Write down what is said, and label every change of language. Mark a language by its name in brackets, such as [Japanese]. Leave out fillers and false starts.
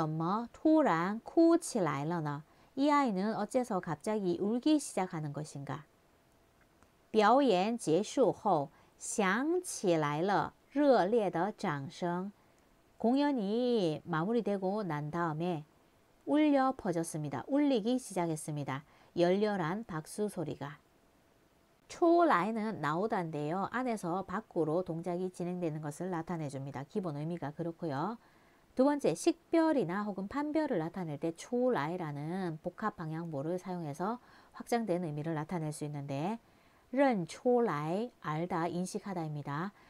[Chinese] 这孩子怎么突然哭起来了呢? [Korean] 이 아이는 어째서 갑자기 울기 시작하는 것인가? [Chinese] 表演结束后响起来了热烈的掌声. [Korean] 공연이 마무리되고 난 다음에 울려 퍼졌습니다. 울리기 시작했습니다. 열렬한 박수 소리가. 出来는 나오다인데요. 안에서 밖으로 동작이 진행되는 것을 나타내 줍니다. 기본 의미가 그렇고요. 두 번째, 식별이나 혹은 판별을 나타낼 때 出来라는 복합 방향보를 사용해서 확장된 의미를 나타낼 수 있는데, 认出来, 알다, 인식하다입니다.